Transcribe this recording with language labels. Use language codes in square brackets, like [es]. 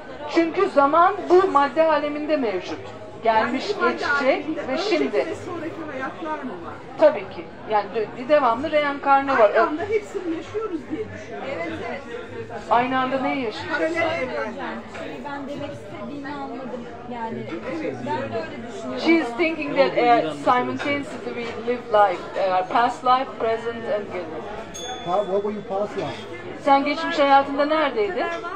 [tr] Çünkü zaman bu madde aleminde mevcut. Gelmiş, yani geçecek ve şimdi. Önce ve sonraki hayatlar mı var? Tabii ki. Yani bir devamlı reenkarnı var. Aynı anda hepsini yaşıyoruz diye düşünüyorum. Evet. Aynı anda neyi yaşıyoruz? Ben demek istediğini anladım. Yani ben de öyle düşünüyorum. [en] She is thinking that simultaneously we live life. Past life, present and future. What were you past life? [tr] Sen geçmiş hayatında neredeydin?